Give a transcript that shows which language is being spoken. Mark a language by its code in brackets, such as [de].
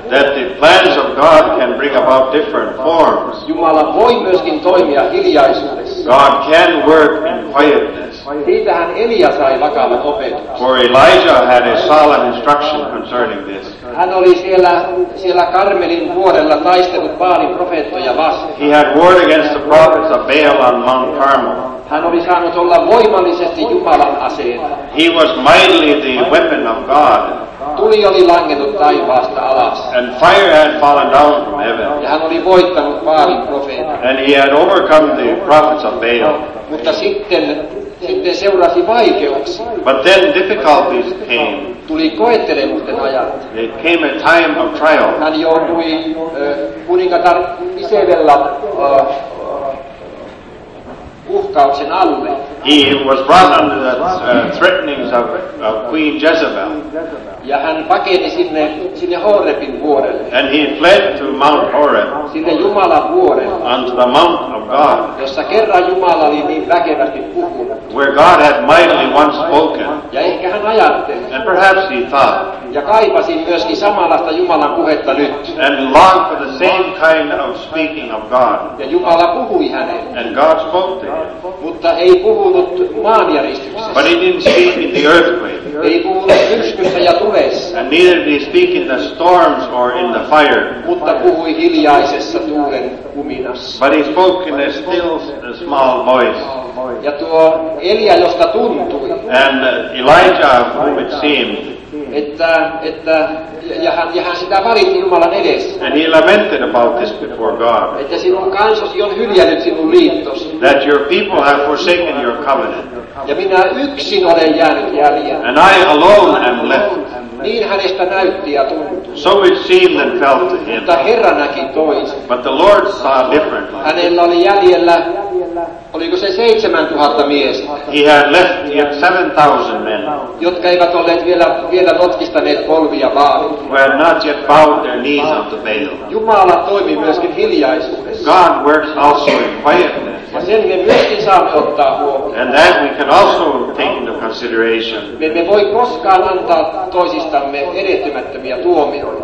[en] That the plans of God can bring about different forms. [fi] Jumala voi myöskin toimia hiljaisuudessa. [en] God can work in quietness. [fi] Siitähän Elia sai vakavan opetuksen. [en] For Elijah had a solemn instruction concerning this. [fi] Hän oli siellä Karmelin vuorella taistellut Baalin profeettoja vastaan. [en] He had warred against the prophets of Baal on Mount Carmel. [fi] Hän oli saanut olla voimallisesti Jumalan aseena. [en] He was mightily the weapon of God. [fi] Tuli oli langennut taivaasta alas. [en] And fire had fallen down from heaven. [fi] Ja hän oli voittanut Baalin profeetat. [en] And he had overcome the prophets of Baal. [fi] Mutta sitten seurasi vaikeuksia. [en] But then difficulties came. [fi] Tuli koettelemusten ajat. [en] It came a time of trial. [fi] Hän joutui kuningatar Isabella uhkauksen alle. [en] He was brought under the threatenings of Queen Jezebel. [fi] Ja hän pakeni sinne Horebin vuorelle. [en] And he fled to Mount Horeb. [fi] Sinne Jumalan vuorelle. [en] Unto the Mount of God. [fi] Jossa kerran Jumala oli niin väkevästi puhunut. [en] Where God had mightily once spoken. [fi] Ja ehkä hän ajatteli. [en] And perhaps he thought. [fi] Ja kaipasi myöskin samanlaista Jumalan puhetta nyt. [en] And longed for the same kind of speaking of God. [fi] Ja Jumala puhui hänelle. [en] And God spoke to him. [fi] Mutta ei puhunut maanjäristyksessä. [en] But he didn't speak in the earthquake. [fi] Ei puhunut myrskyssä ja tulessa. [en] And neither did he speak in the storms or in the fire. [fi] Mutta puhui hiljaisessa tuulen kuminassa. [en] But he spoke in a still small voice. [fi] Ja tuo Elia, josta tuntui. [en] And Elijah, whom it seemed. [fi] Että ja hän sitä valitti Jumalan edessä. [en] And he lamented about this before God. [fi] Että sinun kansasi on hyljännyt sinun liittosi. [en] That your people have forsaken your covenant. [fi] Ja minä yksin olen jäänyt jäljellä. [en] And I alone am left. [fi] Niin hänestä näytti ja tuntui. [en] So it seemed and felt to him. [fi] Mutta Herra näki toisin. [en] But the Lord saw differently. [fi] Hänellä oli jäljellä. Oliko se 7000 miestä? [en] He had left 7000 men. [fi] Jotka eivät olleet vielä notkistaneet polvia Baalille. [en] Who had not yet bowed their knees unto Baal. [fi] Jumala toimi myöskin hiljaisuudessa. [en] God works also in quietness. [fi] Ja sen me myöskin saamme ottaa huomioon. [en] And that we can also take into consideration. [fi] Me emme voi koskaan antaa toisistamme erehtymättömiä tuomioita.